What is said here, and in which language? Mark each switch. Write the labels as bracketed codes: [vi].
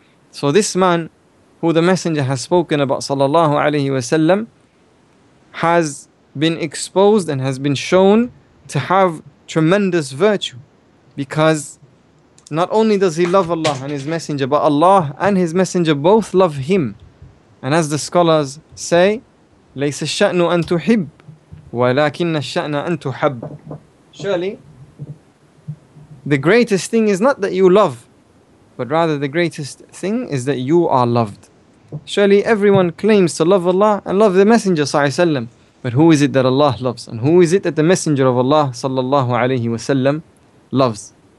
[en] So this man, who the Messenger has spoken about, sallallahu alayhi wa sallam, has been exposed and has been shown to have tremendous virtue, because not only does he love Allah and his Messenger, but Allah and his Messenger both love him. And as the scholars say, [ar] لَيْسَ الشَّأْنُ أَن تُحِبْ وَلَكِنَّ الشَّأْنَ أَن تُحَبْ. [en] Surely, the greatest thing is not that you love, but rather the greatest thing is that you are loved. Surely everyone claims to love Allah and love the Messenger صلى الله عليه وسلم. But who is it that Allah loves? And who is it that the Messenger of Allah صلى الله عليه وسلم loves?